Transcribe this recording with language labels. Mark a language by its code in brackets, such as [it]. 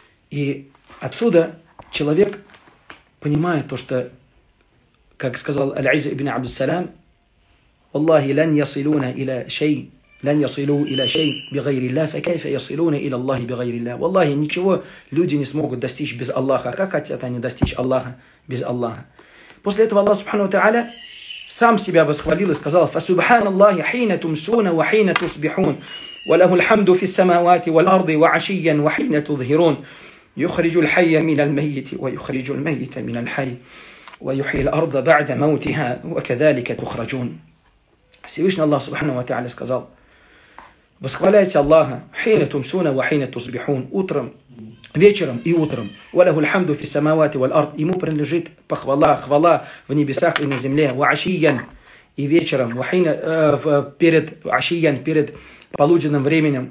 [ru] И отсюда человек понимает то, что, как сказал Аль-Изи ибн Абдуссалям, [ar] والله لن يصلون إلى شيء لن يصلوا إلى شيء بغير الله فكيف يصلون إلى الله بغير الله والله [ru] ничего люди не смогут достичь без Аллаха. Как хотят они достичь Аллаха без Аллаха? После этого Аллах Субхану ва Тааля сам себя восхвалил и сказал: [ar] فسبحان الله حين تمسون وحين تصبحون وله الحمد في السماوات والأرض وعشيا وحين تظهرون يخرج الحي من الميت ويخرج الميت من الحي ويحيي الأرض بعد موتها وكذلك تخرجون. [ru] Всевышний Аллах, субхану ва тааля, сказал: восхваляйте Аллаха, [ar] хина тумсуна ва хина тусбихун, [ru] утром, вечером и утром. [ar] Ва лаху аль-хамду фи ас-самавати валь-ард, [ru] ему принадлежит похвала, хвала в небесах и на земле. [ar] Ва ашиян, [ru] и вечером, ва хина, перед ашиян, перед полуденным временем.